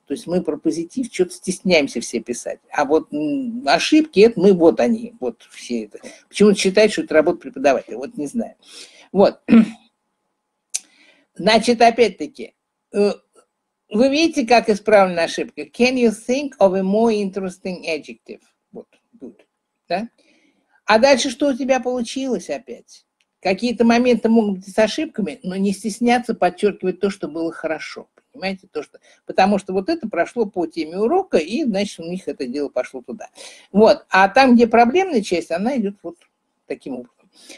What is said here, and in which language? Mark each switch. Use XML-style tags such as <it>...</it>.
<ru>То есть мы про позитив что-то стесняемся все писать. А вот ошибки, это мы, вот они, вот все это. Почему-то считают, что это работа преподавателя, вот не знаю. Вот. Значит, опять-таки, вы видите, как исправлена ошибка?</ru> <en>Can you think of a more interesting adjective?</en> <ru>Вот, good, да? А дальше что у тебя получилось опять? Какие-то моменты могут быть с ошибками, но не стесняться подчеркивать то, что было хорошо. Понимаете? То, что... Потому что вот это прошло по теме урока, и, значит, у них это дело пошло туда. Вот. А там, где проблемная часть, она идет вот таким образом.</ru>